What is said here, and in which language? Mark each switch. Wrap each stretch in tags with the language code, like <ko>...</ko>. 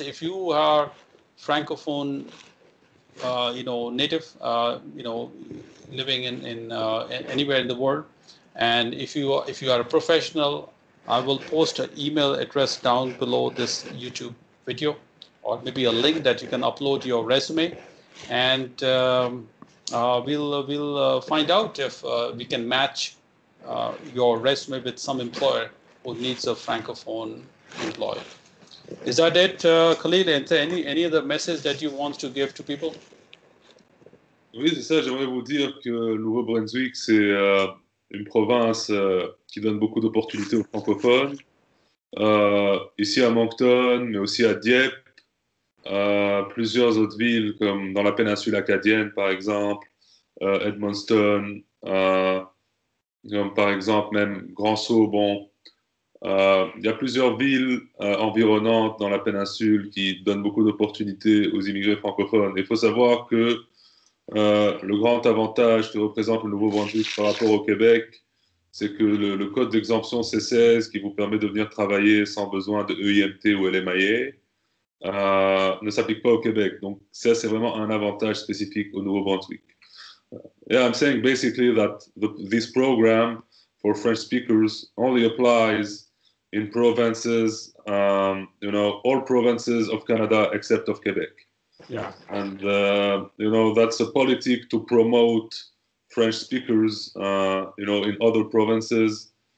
<en>If you are Francophone, you know, native, you know, living in anywhere in the world, and if you are a professional, I will post an email address down below this YouTube video, or maybe a link that you can upload your resume, and we'll find out if we can match your resume with some employer who needs a Francophone employee. Is that it, Khalil? Any other message that you want to give to people?</en> <fr>Oui, c'est ça. J'aimerais vous dire que le Nouveau-Brunswick, c'est une province qui donne beaucoup d'opportunités aux francophones. Ici à Moncton, mais aussi à Dieppe, plusieurs autres villes comme dans la péninsule acadienne, par exemple, Edmonton, comme par exemple même Grand-Saubon. Il y a plusieurs villes environnantes dans la péninsule qui donnent beaucoup d'opportunités aux immigrés francophones. Il faut savoir que le grand avantage que représente le Nouveau-Brunswick par rapport au Québec, c'est que le code d'exemption C16 qui vous permet de venir travailler sans besoin de EIMT ou LMIA ne s'applique pas au Québec. Donc ça, c'est vraiment un avantage spécifique au Nouveau-Brunswick.</fr> <en>Yeah, I'm saying basically that this program for French speakers only applies in provinces, you know, all provinces of Canada except of Quebec. Yeah. And, you know, that's a politic to promote French speakers, you know, in other provinces.</en>